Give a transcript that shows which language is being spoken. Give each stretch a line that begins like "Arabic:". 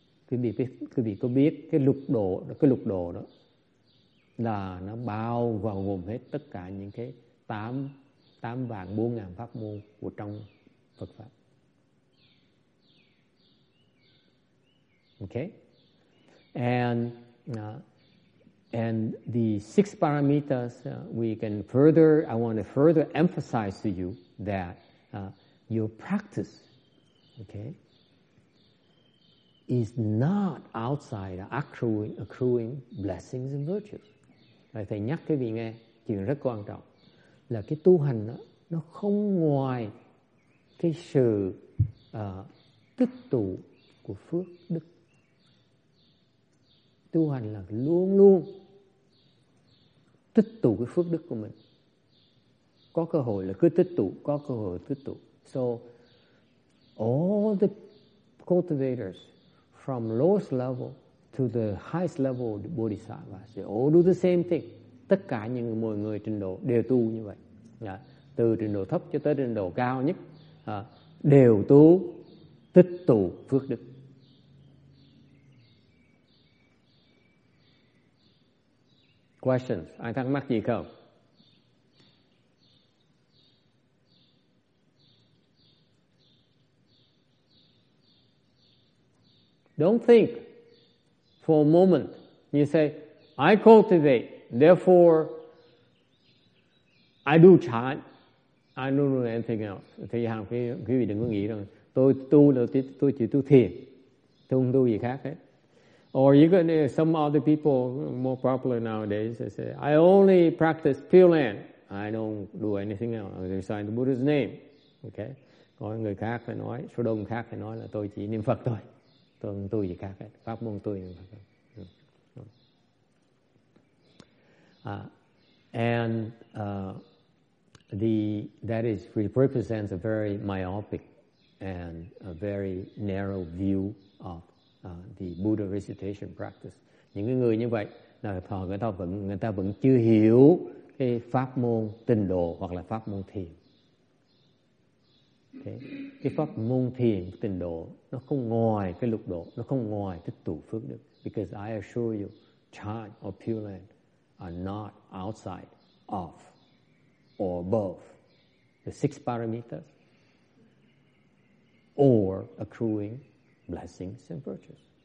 Vietnamese: Quý vị có biết cái lục độ đó là nó bao vào gồm hết tất cả những cái tám vạn bốn ngàn pháp môn của trong Phật pháp.
English: Okay, and the six paramitas, I want to further emphasize to you that your practice, okay, is not outside accruing blessings and virtues.
Vietnamese: Thầy nhắc cái vị nghe chuyện rất quan trọng là cái tu hành đó, nó không ngoài cái sự tích tụ của phước đức. Tu hành là luôn luôn tích tụ cái phước đức của mình. Có cơ hội là cứ tích tụ, có cơ hội là tích tụ.
English: So all the cultivators from lowest level to the highest level of the bodhisattvas, they all do the same thing.
Vietnamese: Tất cả những mọi người trình độ đều tu như vậy. Yeah. Từ trình độ thấp cho tới trình độ cao nhất, đều tu tích tụ phước đức.
English: Questions?
Vietnamese: Ai thắc mắc gì không?
English: Don't think for a moment. You say, I cultivate, therefore I do chant, I don't do anything else.
Vietnamese: Thì hàng quý vị đừng có nghĩ rằng tôi chỉ tu thiền, tôi không tu gì khác hết.
English: Or you can, some other people more popular nowadays, they say, I only practice Pure Land. I don't do anything else. I sign the Buddha's name. Okay.
Vietnamese: Có người khác phải nói, số đông khác phải nói là tôi chỉ niệm Phật thôi. Tôi không tu gì khác hết. Pháp môn tôi niệm Phật thôi.
English: And that is represents a very myopic and a very narrow view of the Buddha recitation practice.
Vietnamese: Những người như vậy là họ người ta vẫn chưa hiểu cái pháp môn tịnh độ hoặc là pháp môn thiền. Okay. Cái pháp môn thiền tịnh độ nó không ngoài cái lục độ, nó không ngoài cái tụ phước đức.
English: Because I assure you, Chan or Pure Land are not outside of or above the six parameters or accruing blessings and virtues.